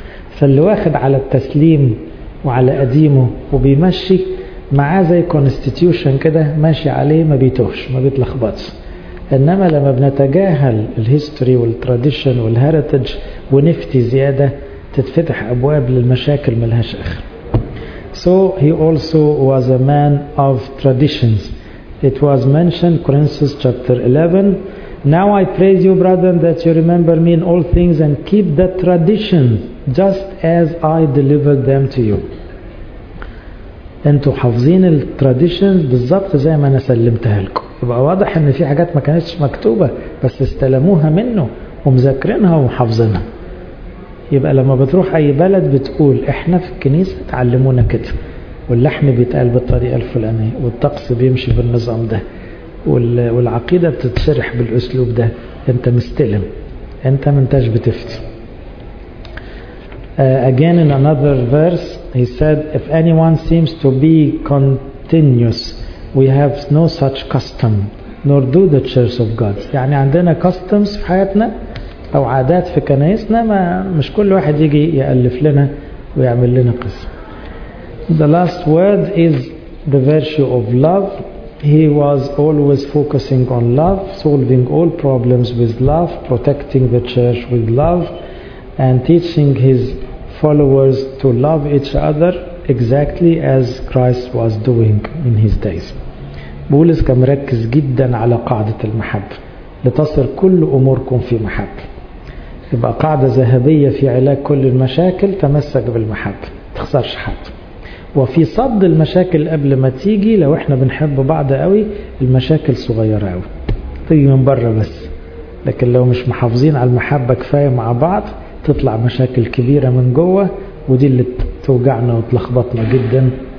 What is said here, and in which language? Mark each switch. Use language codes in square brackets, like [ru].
[ar] فاللي واخد على التسليم وعلى قديمه وبيمشي معاه زي كونستيتيوشن كده ماشي عليه، ما بيتوهش، ما بيتلخبطش. انما لما بنتجاهل الهيستوري والتراديشن والهيريتج ونفتي زياده، تتفتح ابواب للمشاكل ملهاش اخر. [en] So he also was a man of traditions. It was mentioned Corinthians chapter 11. Now I praise you, brethren, that you remember me in all things and keep the tradition just as I delivered them to you. [ar] انتوا حافظين التراديشنز بالظبط زي ما انا سلمتها لكم. يبقى واضح ان في حاجات ما كانتش مكتوبه بس استلموها منه ومذاكرينها ومحافظينها. يبقى لما بتروح اي بلد بتقول احنا في الكنيسه تعلمونا كده، واللحم بيتقال بالطريقه الفلانيه، والطقس بيمشي بالنظام ده، والعقيده بتتشرح بالاسلوب ده. انت مستلم، انت ما انتش بتفتي. [en] Again in another verse he said, if anyone seems to be continuous, we have no such custom nor do the church of God. [ar] يعني عندنا customs في حياتنا او عادات في كنائسنا، ما مش كل واحد يجي يالف لنا ويعمل لنا قصه. [en] The last word is the virtue of love. He was always focusing on love, solving all problems with love, protecting the church with love, and teaching his followers to love each other exactly as Christ was doing in his days. [ar] بولس كان مركز جدا على قاعده المحبه، لتصل كل اموركم في محبه. يبقى قاعدة ذهبية في علاج كل المشاكل، تمسك بالمحبة، تخسرش حد، وفي صد المشاكل قبل ما تيجي. لو احنا بنحب بعض قوي المشاكل صغيرة قوي تيجي من بره بس، لكن لو مش محافظين على المحبة كفاية مع بعض تطلع مشاكل كبيرة من جوه، ودي اللي توجعنا وتلخبطنا جدا.